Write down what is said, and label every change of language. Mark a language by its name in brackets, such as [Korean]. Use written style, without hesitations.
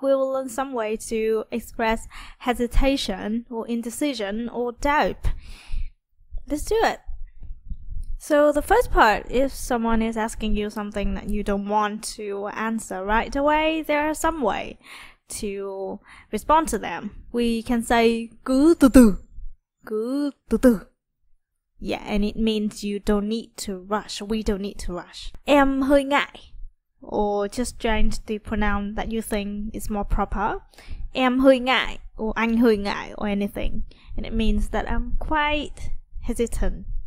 [English] We will learn some way to express hesitation or indecision or doubt. Let's do it. So the first part, if someone is asking you something that you don't want to answer right away, there are some way to respond to them. We can say [Vietnamese] cứ từ từ, cứ từ từ. [English] Yeah, and it means you don't need to rush. We don't need to rush. [Vietnamese] Em hơi ngại. [English] Or just change the pronoun that you think is more proper. [Vietnamese] Em hơi ngại. [English] Or [Vietnamese] anh hơi ngại. [English] Or anything. And it means that I'm quite hesitant.